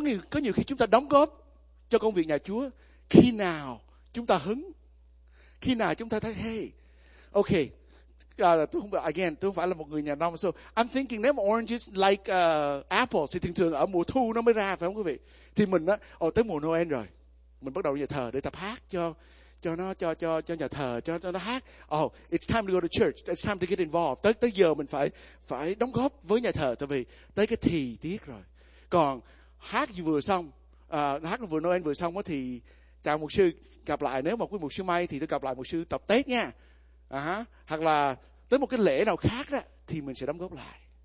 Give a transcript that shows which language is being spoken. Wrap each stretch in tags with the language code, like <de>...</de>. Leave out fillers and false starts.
<vi>Có nhiều khi chúng ta đóng góp cho công việc nhà Chúa, khi nào chúng ta hứng, khi nào chúng ta thấy hey, okay. Tôi không phải là một người nhà nông,</vi> <en>so I'm thinking</en> <vi>nếu mà</vi> <en>oranges like apples</en> <vi>thì thường thường ở mùa thu nó mới ra phải không quý vị? Thì mình á, tới mùa Noel rồi, mình bắt đầu nhà thờ để tập hát cho nhà thờ cho nó hát.</vi> <en>Oh, it's time to go to church, it's time to get involved.</en> <vi>Tới giờ mình phải đóng góp với nhà thờ, tại vì tới cái thì tiết rồi. Còn hát vừa xong, hát vừa Noel vừa xong á thì chào mục sư, gặp lại nếu mà quý mục sư may thì tôi gặp lại mục sư tập Tết nha. Hoặc là tới một cái lễ nào khác đó thì mình sẽ đóng góp lại.</vi>